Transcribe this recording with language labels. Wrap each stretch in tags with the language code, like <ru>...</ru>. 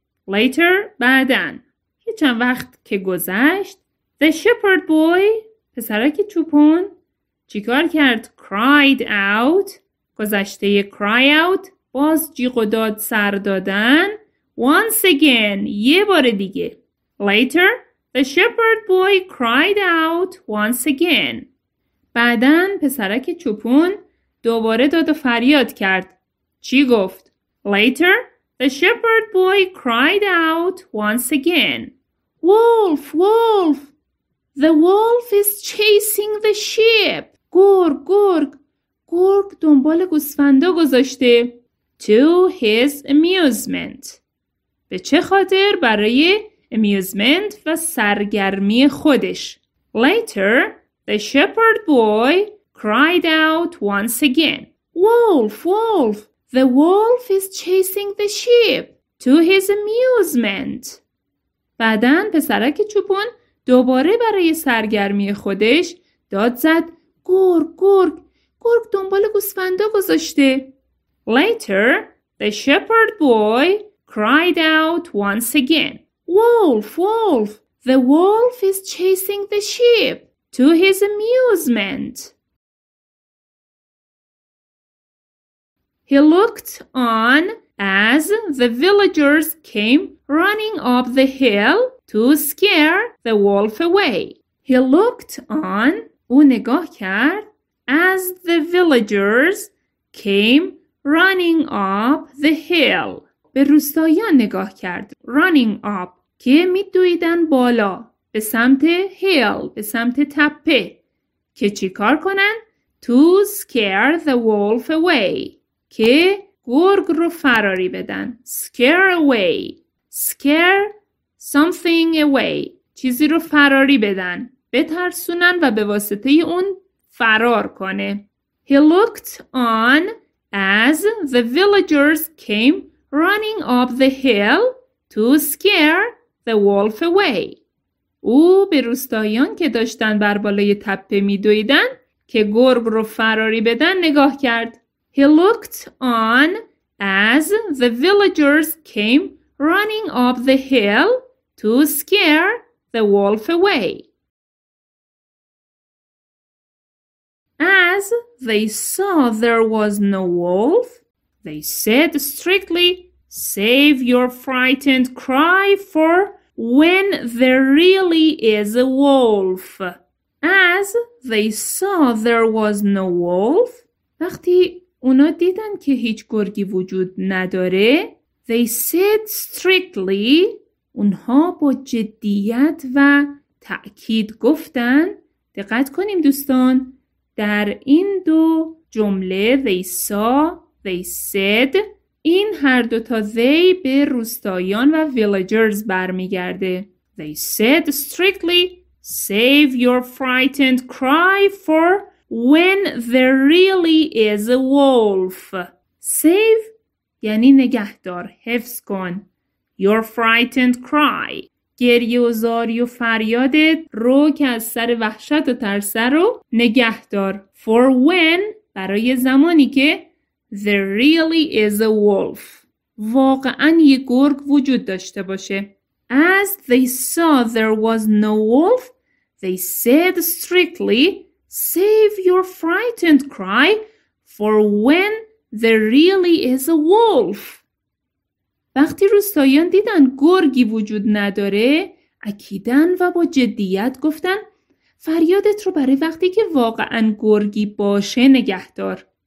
<en>Later,</en> <fa>بعدن, یه چند وقت که گذشت,</fa> <en>the shepherd boy,</en> <fa>پسرک چوپان, چیکار کرد؟</fa> <en>Cried out,</en> <fa>گذشته</fa> <en>cry out,</en> <fa>باز جیغ و داد سر دادن,</fa> <en>once again,</en> <fa>یه بار دیگه.</fa> <en>Later, the shepherd boy cried out once again.</en> <fa>بعدن پسرک چوپون دوباره داد و فریاد کرد. چی گفت؟</fa> <en>Later, the shepherd boy cried out once again. Wolf, wolf! The wolf is chasing the sheep.</en> <fa>گرگ, گرگ. گرگ دنبال گوسفندا گذاشته.</fa> <en>To his amusement.</en> <fa>به چه خاطر؟ برای amusement و سرگرمی خودش.</fa> <en>Later, the shepherd boy cried out once again. Wolf, wolf! The wolf is chasing the sheep to his amusement.</en> <fa>بعدن پسرک چوپون دوباره برای سرگرمی خودش داد زد گرگ گرگ گرگ دنبال گوسفندا گذاشته.</fa> <en>Later, the shepherd boy cried out once again. Wolf, wolf! The wolf is chasing the sheep to his amusement. He looked on as the villagers came running up the hill to scare the wolf away. He looked on,</en> <fa>او نگاه کرد,</fa> <en>as the villagers came running up the hill.</en> <fa>به روستاییان نگاه کرد.</fa> <en>Running up</en> <fa>که می دویدن بالا به سمت hill, به سمت تپه. که چی کار کنن؟</fa> <en>To scare the wolf away.</en> <fa>که گرگ رو فراری بدن.</fa> <en>Scare away. Scare something away.</en> <fa>چیزی رو فراری بدن. بترسونن و به واسطه اون فرار کنه.</fa> <en>He looked on as the villagers came running up the hill to scare the wolf away.</en> <fa>او به روستاییان که داشتن بر بالای تپه می دویدن که گرگ رو فراری بدن نگاه کرد.</fa> <en>He looked on as the villagers came running up the hill to scare the wolf away. As they saw there was no wolf, they said strictly, "Save your frightened cry for when there really is a wolf." As they saw there was no wolf,</en> <fa>وقتی اونا دیدن که هیچ گرگی وجود نداره,</fa> <en>they said strictly,</en> <fa>اونها با جدیت و تأکید گفتن, دقت کنیم دوستان, در این دو جمله</fa> <en>they saw, they said,</en> <fa>این هر دو تا they به روستاییان و villagers برمیگرده.</fa> <en>They said strictly, save your frightened cry for when there really is a wolf.</en> <fa>Save یعنی نگهدار, حفظ کن.</fa> <en>Your frightened cry.</en> <fa>گریه و زاری و فریادت رو که از سر وحشت و ترس رو نگه دار.</fa> <en>For when,</en> <fa>برای زمانی که</fa> <en>there really is a wolf.</en> <fa>واقعا یه گرگ وجود داشته باشه.</fa> <en>As they saw there was no wolf, they said strictly, save your frightened cry for when there really is a wolf.</en> <fa>وقتی روستاییان دیدن گرگی وجود نداره, اکیدن و با جدیت گفتن, فریادت رو برای وقتی که واقعا گرگی باشه نگه دار.</fa>